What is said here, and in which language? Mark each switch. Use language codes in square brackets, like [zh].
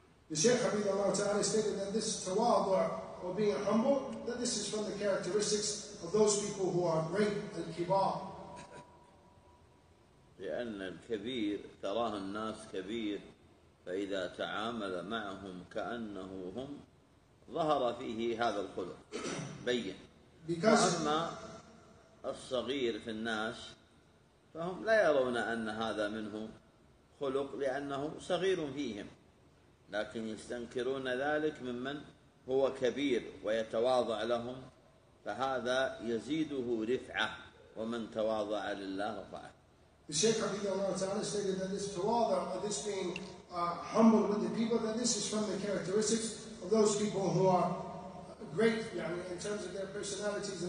[en] The Shaykh Habib Allah Ta'ala stated that this تواضع or being humble, that this is from the characteristics of those people who are great, al-kibar. [ar] لأن الكبير تراه الناس كبير فإذا تعامل معهم كأنه هم ظهر فيه هذا الخلق بين. أما الصغير في الناس فهم لا يرون أن هذا منه خلق لأنه صغير فيهم، لكن يستنكرون ذلك ممن هو كبير ويتواضع لهم، فهذا يزيده رفعة، ومن تواضع لله رفعه. [en] The Shaykh Habib Allah Ta'ala stated that this تواضع, or this being humble with the people, that this is from the characteristics of those people who are great, يعني, in terms of their personalities.